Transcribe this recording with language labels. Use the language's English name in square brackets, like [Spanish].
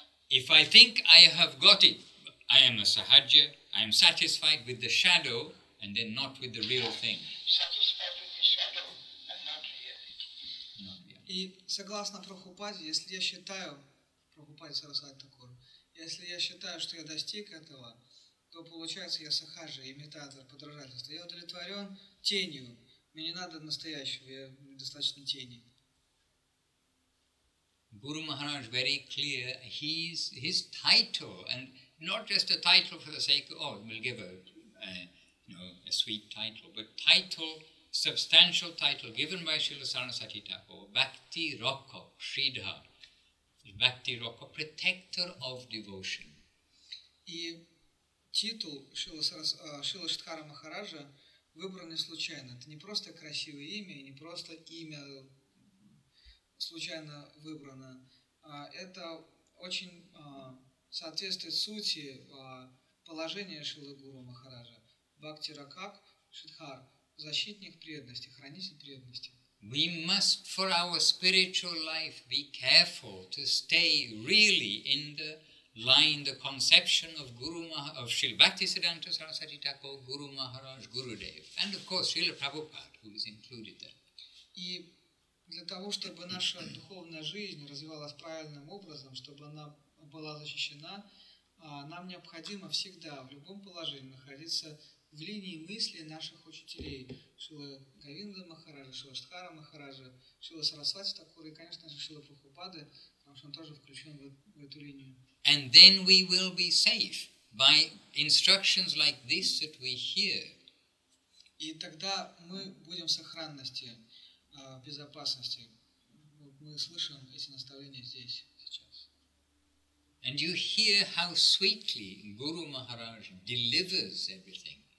[English] If I think I have got it, I am a sahajya, I am satisfied with the shadow and then not with the real thing. Satisfied with the shadow and not reality. [Russian] И согласно Прабхупаде, если я считаю, Прабхупаде Сарасвати Такур, если я считаю, что я достиг этого, то получается я сахаджа, имитатор, подражательство. Я удовлетворен тенью. Мне не надо настоящего, я достаточно тени. [English] Guru Maharaj very clear, his title, and not just a title for the sake of, oh, we'll give a sweet title, but title, substantial title, given by Srila Sarasvati Thakur, Bhakti Rakha, Shridha, Bhakti Rakha, protector of devotion. [Russian] И титул Шрила Шридхара Махараджа выбран не случайно. Это не просто красивое имя, не просто имя случайно выбрано. Это очень соответствует сути положения Шрилы Гуру Махараджа. Бхакти Ракак Шридхар – защитник преданности, хранитель преданности. [English] We must, for our spiritual life, be careful to stay really in the line, the conception of Guru of Srila Bhaktisiddhanta Sarasvati Thakur, Guru Maharaj, Gurudev, and of course Srila Prabhupada, who is included there. [Russian] И для того, чтобы наша духовная жизнь развивалась правильным образом, чтобы она была защищена, нам необходимо всегда, в любом положении, находиться в линии мысли наших учителей Шрила Говинда Махараджа, Шрила Штхара Махараджа, Шрила Сарасвати Такура и, конечно же, Шрила Прабхупады, потому что он тоже включен в эту линию. [English] And then we will be safe by instructions like this that we hear. [Russian] И тогда мы будем в сохранности, безопасности. Мы слышим эти наставления здесь, сейчас. [English] And you hear how sweetly Guru Maharaj delivers everything.